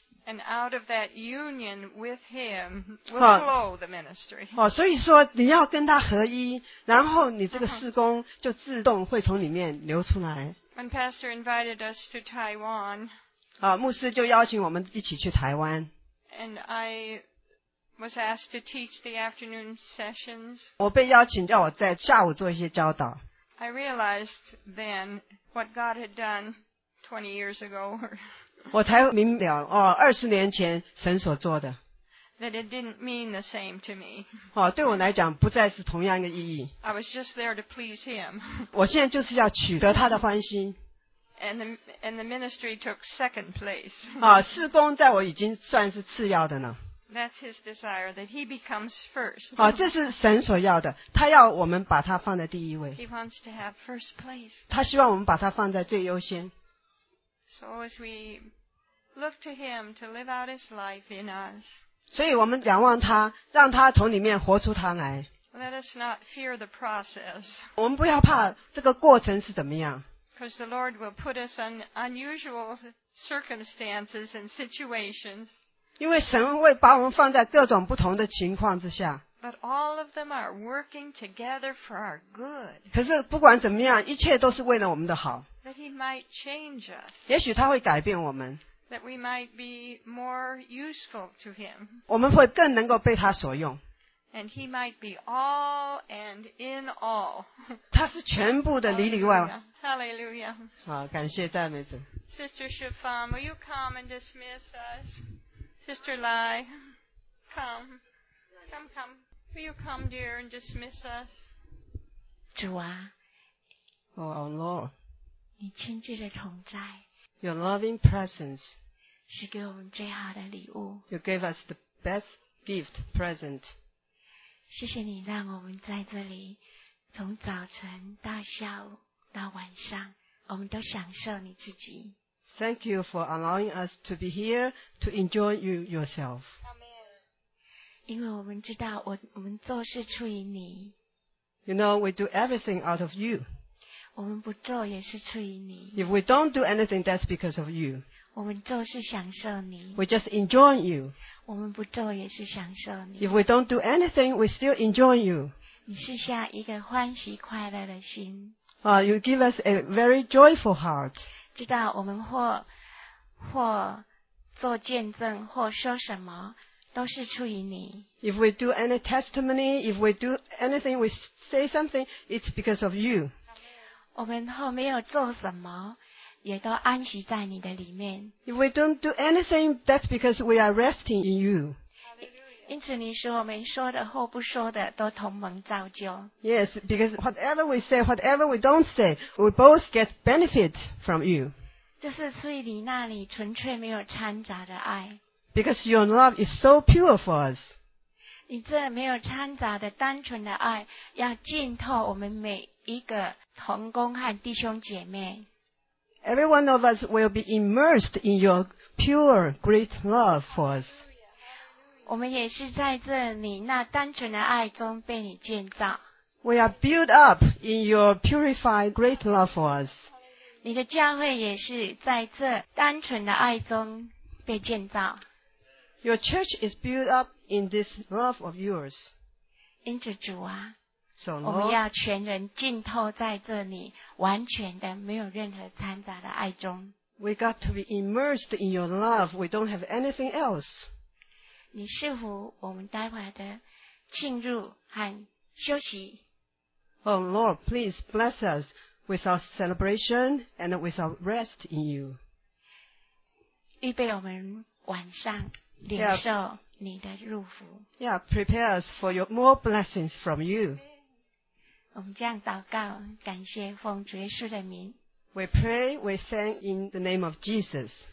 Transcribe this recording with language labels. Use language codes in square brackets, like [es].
[en] And out of that union with him will flow the ministry. [zh] 哦，所以说你要跟他合一，然后你这个事工就自动会从里面流出来。 [en] When Pastor invited us to Taiwan. [zh] 啊，牧师就邀请我们一起去台湾。 [en] And I was asked to teach the afternoon sessions. [zh] 我被邀请叫我在下午做一些教导。 [en] I realized then what God had done 20 years ago. [zh] 我才明了哦，二十年前神所做的。 [en] That it didn't mean the same to me. [zh] 哦，对我来讲不再是同样的意义。 [en] I was just there to please him. [zh] 我现在就是要取得他的欢心。 [en] And the ministry took second place. [zh] 哦，事工在我已经算是次要的了。 [en] That's his desire, that he becomes first. [zh] 哦，这是神所要的，他要我们把他放在第一位。 [en] He wants to have first place. [zh] 他希望我们把他放在最优先。 [en] So as we look to him to live out his life in us. [zh] 所以我们仰望他，让他从里面活出他来。 [en] Let us not fear the process. [zh] 我们不要怕这个过程是怎么样。 [en] Because the Lord will put us in unusual circumstances and situations. [zh] 因为神会把我们放在各种不同的情况之下。 [en] But all of them are working together for our good. [zh] 可是不管怎么样，一切都是为了我们的好。 [en] That he might change us. [zh] 也许他会改变我们。 [en] That we might be more useful to him. [zh] 我们会更能够被他所用。 [en] And he might be all and in all. [zh] 他是全部的里里外外。 [en] Hallelujah. [zh] 好，感谢赞美主。 [en] Sister Shafan, will you come and dismiss us? Sister Lai, come. Will you come, dear, and dismiss us? [zh] 主啊。 [en] Oh, our Lord. [zh] 你亲自的同在 [en] Your loving presence [zh] 是给我们最好的礼物 [en] You gave us the best gift present [zh] 谢谢你让我们在这里从早晨到下午到晚上我们都享受你自己 [en] Thank you for allowing us to be here to enjoy you yourself [zh] Amen 因为我们知道 我们做事出于你 [en] You know we do everything out of you [zh] 我们不做也是出于你。 [en] If we don't do anything, that's because of you. [zh] 我们做是享受你。 [en] We just enjoy you. [zh] 我们不做也是享受你。 [en] If we don't do anything, we still enjoy you. [zh] 你赐下一个欢喜快乐的心。 [en] You give us a very joyful heart. [zh] 知道我们或做见证或说什么都是出于你。 [en] If we do any testimony, if we do anything, we say something, it's because of you. [zh] 我们后没有做什么也都安息在你的里面 [en] If we don't do anything that's because we are resting in you [zh] 因此你使我们说的或不说的都同盟造就 [en] Yes, because whatever we say, whatever we don't say we both get benefit from you [zh] 这是出于你那里纯粹没有掺杂的爱 [en] Because your love is so pure for us [zh] 你这没有掺杂的单纯的爱要浸透我们每一个同工和弟兄姐妹 [en] Every one of us will be immersed in your pure, great love for us. [zh] 我们也是在这你那单纯的爱中被你建造。 [en] We are built up in your purified, great love for us. [zh] 你的教会也是在这单纯的爱中被建造。 [en] Your church is built up in this love of yours. [zh] 因此主啊。 [en] So, Lord, [zh] 我们要全人浸透在这里，完全的没有任何掺杂的爱中。 [en] We got to be immersed in your love. We don't have anything else. [zh] 你祝福我们待会的进入和休息。 [en] Oh Lord, please bless us with our celebration and with our rest in you. [zh] 预备我们晚上领受你的祝福。 [en] Yeah, prepare us for your more blessings from you. [zh] 我们这样祷告，感谢奉主耶稣的名。 [en] We pray, we thank in the name of Jesus.